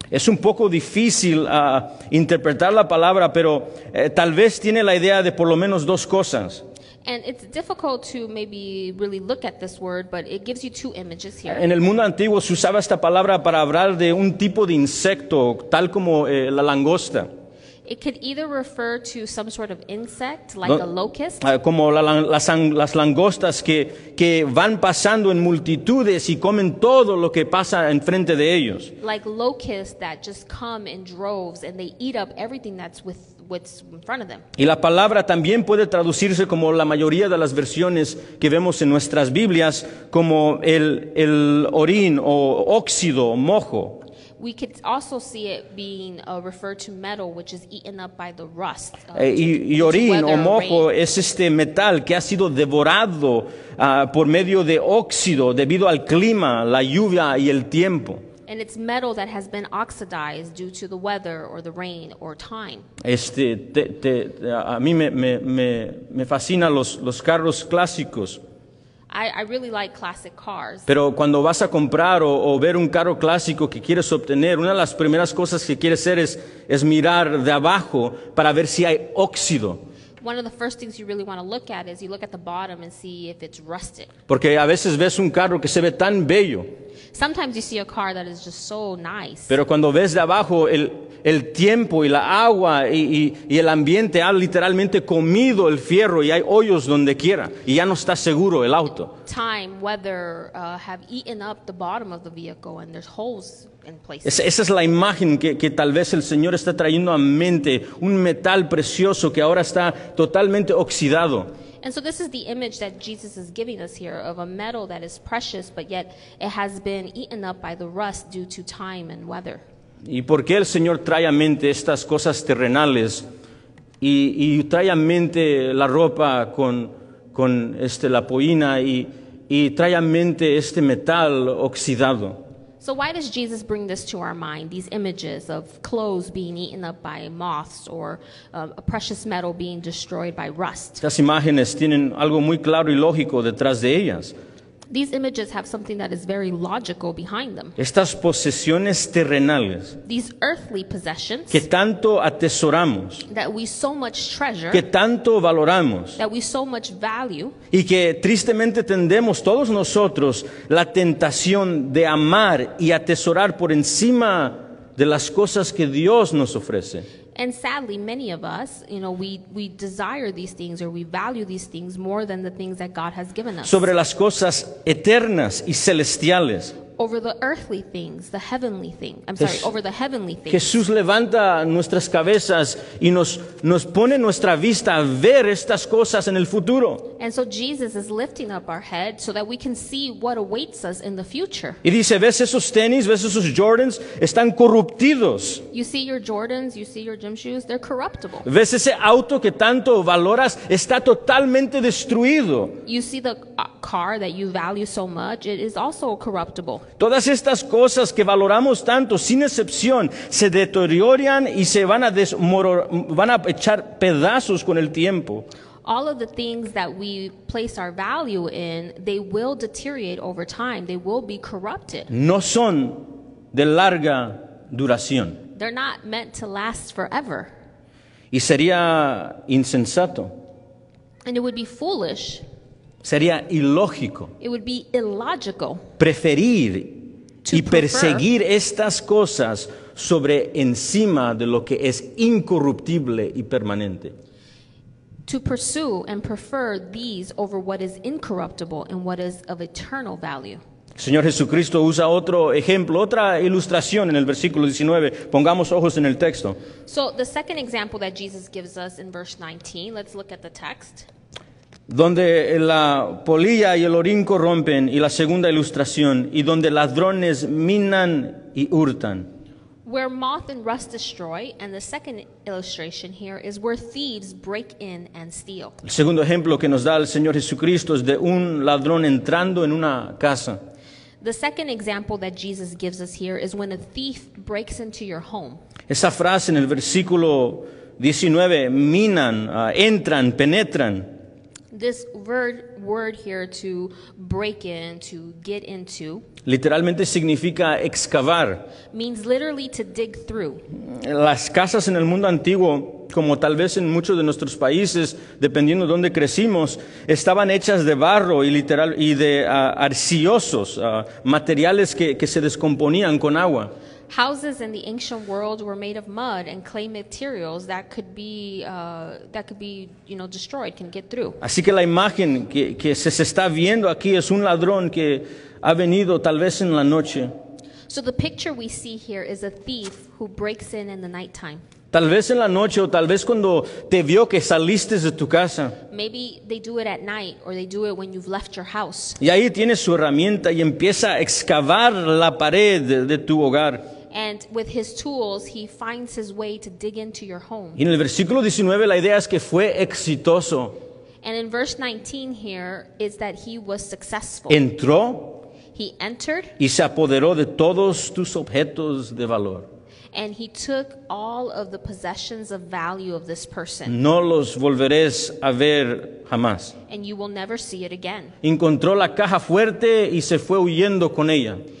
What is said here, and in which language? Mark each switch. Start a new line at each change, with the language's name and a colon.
Spanish: Es un poco difícil interpretar la palabra, pero tal vez tiene la idea de por lo menos dos cosas.
English: And it's difficult to maybe really look at this word, but it gives you two images here.
Spanish: En el mundo antiguo se usaba esta palabra para hablar de un tipo de insecto, tal como la langosta.
English: It could either refer to some sort of insect, like a locust.
Spanish: Como las langostas que van pasando en multitudes y comen todo lo que pasa enfrente de ellos.
English: Like locusts that just come in droves and they eat up everything that's what's in front of them.
Spanish: Y la palabra también puede traducirse como la mayoría de las versiones que vemos en nuestras Biblias, como el orín o óxido o mojo.
English: We could also see it being referred to metal, which is eaten up by the rust.
Spanish: Y orín o mojo es este metal que ha sido devorado por medio de óxido debido al clima, la lluvia y el tiempo.
English: And it's metal that has been oxidized due to the weather or the rain or time.
Spanish: A mí me fascina los carros clásicos.
English: I really like classic cars.
Spanish: Pero cuando vas a comprar o ver un carro clásico que quieres obtener, una de las primeras cosas que quieres hacer es mirar de abajo para ver si hay óxido.
English: One of the first things you really want to look at is you look at the bottom and see if it's rusted.
Spanish: Porque a veces ves un carro que se ve tan bello.
English: Sometimes you see a car that is just so nice.
Spanish: Pero cuando ves de abajo el tiempo y la agua y el ambiente ha literalmente comido el fierro y hay hoyos donde quiera y ya no está seguro el auto.
English: Time, weather have eaten up the bottom of the vehicle and there's holes in places.
Spanish: Esa es la imagen que tal vez el Señor está trayendo a mente, un metal precioso que ahora está totalmente oxidado.
English: And so this is the image that Jesus is giving us here of a metal that is precious, but yet it has been eaten up by the rust due to time and weather.
Spanish: ¿Y por qué el Señor trae a mente estas cosas terrenales y trae a mente la ropa con, con este la polina y trae a mente este metal oxidado.
English: So why does Jesus bring this to our mind, these images of clothes being eaten up by moths or a precious metal being destroyed by rust?
Spanish: Estas imágenes tienen algo muy claro y lógico detrás de ellas.
English: These images have something that is very logical behind them.
Spanish: Estas posesiones terrenales,
English: these earthly possessions,
Spanish: que tanto atesoramos,
English: that we so much treasure,
Spanish: que tanto valoramos,
English: that we so much value,
Spanish: y que tristemente tendemos todos nosotros la tentación de amar y atesorar por encima de las cosas que Dios nos ofrece.
English: And sadly, many of us, you know, we desire these things or we value these things more than the things that God has given us.
Spanish: Sobre las cosas eternas y celestiales.
English: Over the earthly things, the heavenly things. Over the heavenly things.
Spanish: Jesús levanta nuestras cabezas y nos pone nuestra vista a ver estas cosas en el futuro.
English: And so Jesus is lifting up our head so that we can see what awaits us in the future.
Spanish: Y dice, ¿ves esos tenis? ¿Ves esos Jordans? Están corruptidos.
English: You see your Jordans, you see your gym shoes, they're corruptible.
Spanish: ¿Ves ese auto que tanto valoras? Está totalmente destruido.
English: You see the car that you value so much, it is also corruptible.
Spanish: Todas estas cosas que valoramos tanto, sin excepción, se deterioran y se van a van a echar pedazos con el tiempo.
English: All of the things that we place our value in, they will deteriorate over time. They will be corrupted.
Spanish: No son de larga duración.
English: They're not meant to last forever.
Spanish: Y sería insensato.
English: And it would be foolish.
Spanish: Sería ilógico.
English: It would be illogical.
Spanish: Preferir y perseguir estas cosas sobre encima de lo que es incorruptible y permanente.
English: To pursue and prefer these over what is incorruptible and what is of eternal value.
Spanish: Señor Jesucristo usa otro ejemplo, otra ilustración en el versículo 19. Pongamos ojos en el texto.
English: So the second example that Jesus gives us in verse 19, let's look at the text.
Spanish: Donde la polilla y el orín corrompen, y la segunda ilustración, y donde ladrones minan y hurtan.
English: Where moth and rust destroy, and the second illustration here is where thieves break in and steal.
Spanish: El segundo ejemplo que nos da el Señor Jesucristo es de un ladrón entrando en una casa.
English: The second example that Jesus gives us here is when a thief breaks into your home.
Spanish: Esa frase en el versículo 19, minan, entran, penetran.
English: This word here to break in, to get into,
Spanish: literalmente significa excavar.
English: Means literally to dig through.
Spanish: Las casas en el mundo antiguo, como tal vez en muchos de nuestros países, dependiendo de donde crecimos, estaban hechas de barro y literal y de arcillosos, materiales que se descomponían con agua.
English: Houses in the ancient world were made of mud and clay materials that could be, you know, destroyed, can get through.
Spanish: Así que la imagen que se está viendo aquí es un ladrón que ha venido tal vez en la noche.
English: So the picture we see here is a thief who breaks in the nighttime.
Spanish: Tal vez en la noche o tal vez cuando te vio que saliste de tu casa.
English: Maybe they do it at night or they do it when you've left your house.
Spanish: Y ahí tienes su herramienta y empieza a excavar la pared de tu hogar.
English: And with his tools, he finds his way to dig into your home.
Spanish: Y en el versículo 19 la idea es que fue exitoso.
English: And in verse 19 here is that he was successful.
Spanish: Entró.
English: He entered.
Spanish: Y se apoderó de todos tus objetos de valor.
English: And he took all of the possessions of value of this person.
Spanish: No los volverás a ver jamás.
English: And you will never see it again.
Spanish: Encontró la caja fuerte y se fue huyendo con ella.